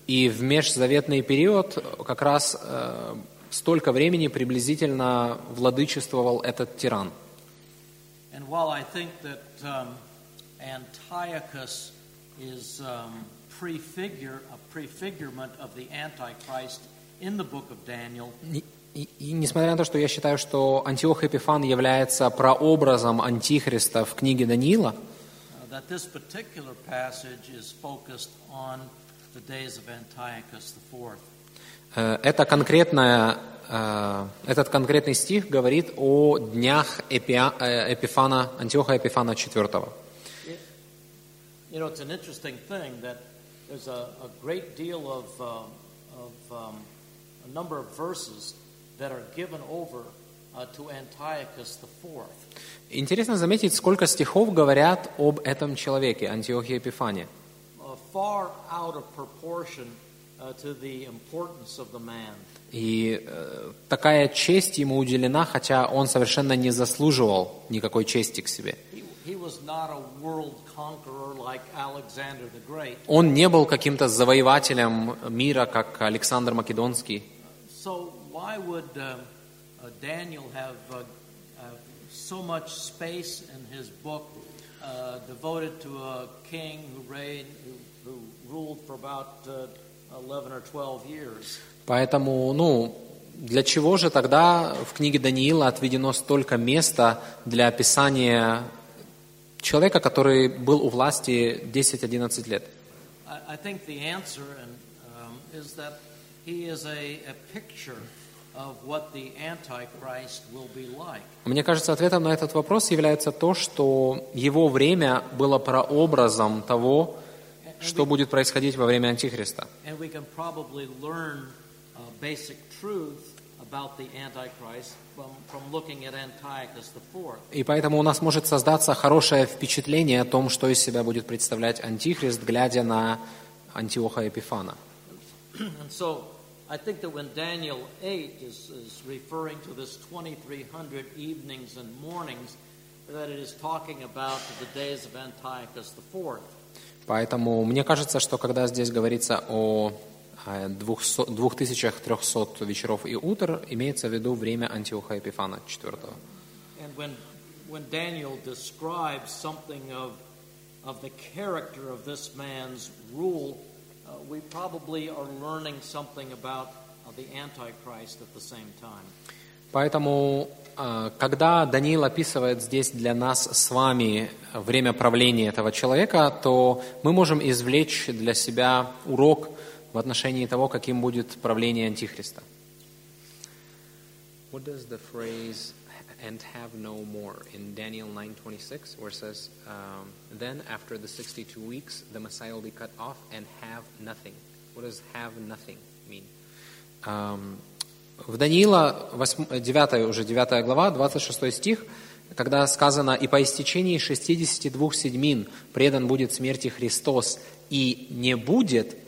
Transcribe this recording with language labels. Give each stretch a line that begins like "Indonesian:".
Russian: И в межзаветный период как раз столько времени приблизительно владычествовал этот тиран.
English: And while I think that Antiochus is a prefigurement of the Antichrist in the book of Daniel.
Russian: И несмотря на то, что я считаю, что Антиох Эпифан является прообразом Антихриста в книге Даниила,
English: that this particular passage is focused on the days of Antiochus IV.
Russian: Этот конкретный стих говорит о днях Антиоха Эпифана IV.
English: You know, it's an interesting thing that there's a great deal a number of verses that are given over to Antiochus IV.
Russian: Интересно заметить, сколько стихов говорят об этом человеке, Антиохе Эпифане.
English: Far out of proportion to the importance of the man.
Russian: И такая честь ему уделена, хотя он совершенно не заслуживал никакой чести к себе.
English: He was not a world conqueror like Alexander the Great.
Russian: Он не был каким-то завоевателем мира, как Александр Македонский.
English: So why would Daniel have so much space in his book devoted to a king who ruled for about 11 or 12 years?
Russian: Поэтому, ну, для чего же тогда в книге Даниила отведено столько места для описания человека, который был у власти 10-11 лет?
English: I think the answer is that he is a picture of what the Antichrist will be like.
Russian: Мне кажется, ответом на этот вопрос является то, что его время было прообразом того, что будет происходить во время Антихриста.
English: And we can probably learn basic truth about the Antichrist from looking at Antiochus the Fourth.
Russian: И поэтому у нас может создаться хорошее впечатление о том, что из себя будет представлять Антихрист, глядя на Антиоха Эпифана.
English: And so I think that when Daniel 8 is referring to this 2300 evenings and mornings, that it is talking about the days of Antiochus the Fourth.
Russian: Поэтому мне кажется, что когда здесь говорится о 2300 вечеров и утр, имеется в виду время Антиоха Эпифана IV.
English: And when Daniel describes something of the character of this man's rule, we probably are learning something about the Antichrist at the same time.
Russian: Поэтому, когда Даниил описывает здесь для нас с вами время правления этого человека, то мы можем извлечь для себя урок в отношении того, каким будет правление Антихриста.
English: What does the phrase "and have no more" in Daniel 9:26, where it says, "Then after the 62 weeks, the Messiah will be cut off and have nothing"? What does "have nothing" mean?
Russian: В Даниила, 9 глава, 26 стих, когда сказано: «И по истечении 62 седьмин предан будет смерти Христос, и не будет».